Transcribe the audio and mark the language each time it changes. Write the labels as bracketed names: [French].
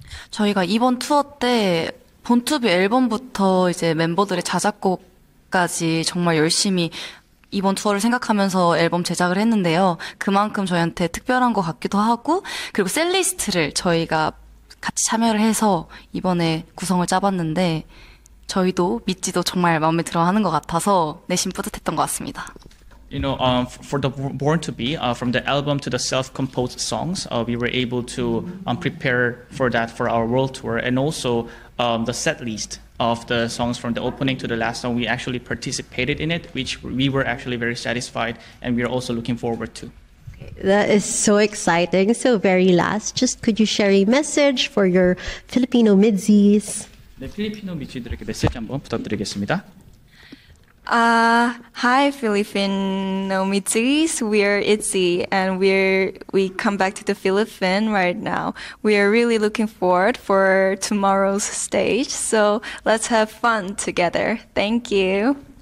[Korean] 저희가 이번 투어 때 본투비 앨범부터 이제 멤버들의 자작곡까지 정말 열심히 이번 투어를 생각하면서 앨범 제작을 했는데요. 그만큼 저희한테 특별한 것 같기도 하고 그리고 셀리스트를 저희가 같이 참여를 해서 이번에 구성을 짜봤는데 저희도 믿지도 정말 마음에 들어 하는 것 같아서 내심 뿌듯했던 것 같습니다. [English] You know, for the Born to Be, from the album to the self-composed songs, we were able to prepare for that for our world tour, and also the set list of the songs from the opening to the last song, we actually participated in it, which we were actually very satisfied, and we are also looking forward to. That is so exciting. So very last, just could you share a message for your Filipino midzies? [Korean] 네, 필리핀어 미지들에게 메시지 한번 부탁드리겠습니다. [English] Hi, Filipino Mitzis. We are ITZY, and we come back to the Philippines right now. We are really looking forward for tomorrow's stage. So let's have fun together. Thank you.